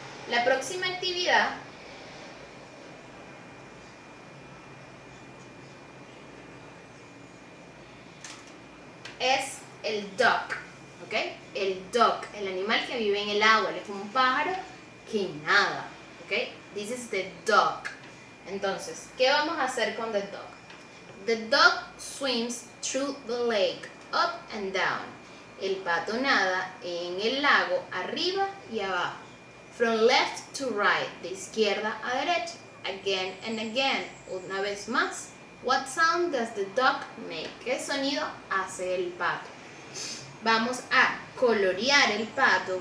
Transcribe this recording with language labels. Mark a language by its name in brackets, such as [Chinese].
[Spanish] La próxima actividad es el duck, ¿ok? El duck, el animal que vive en el agua, es un pájaro que nada, ¿ok? [English] This is the duck. [Spanish] Entonces, ¿qué vamos a hacer con the duck? [English] The duck swims through the lake, up and down. [Spanish] El pato nada en el lago, arriba y abajo. [English] From left to right, [Spanish] de izquierda a derecha. [English] Again and again, [Spanish] una vez más. [English] What sound does the duck make? [Spanish] ¿Qué sonido hace el pato? Vamos a colorear el pato.